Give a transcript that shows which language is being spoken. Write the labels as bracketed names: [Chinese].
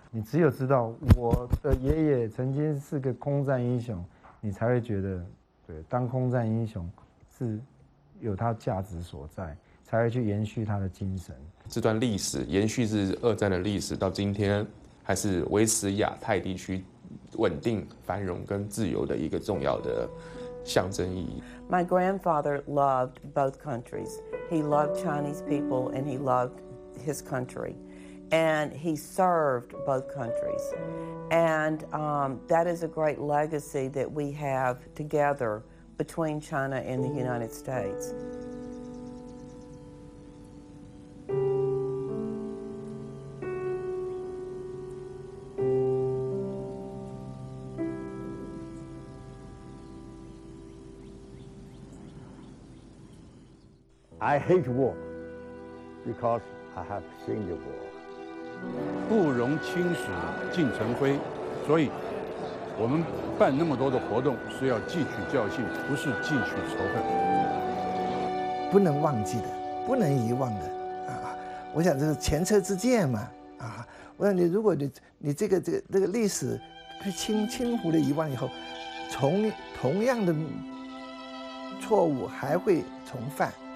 [Chinese] 你只有知道我的爷爷曾经是个空战英雄，你才会觉得，对，当空战英雄是有它价值所在，才会去延续它的精神。这段历史延续自二战的历史到今天，还是维持亚太地区稳定、繁荣跟自由的一个重要的象征意义。 [English] My grandfather loved both countries. He loved Chinese people and he loved his country. And he served both countries. And that is a great legacy that we have together between China and the United States. I hate war because I have seen the war. [Chinese] 不容轻视尽成灰，所以我们办那么多的活动是要汲取教训，不是汲取仇恨。不能忘记的，不能遗忘的啊！我想这是前车之鉴嘛啊！我想你，如果你这个历史被轻忽的遗忘以后，同样的错误还会重犯。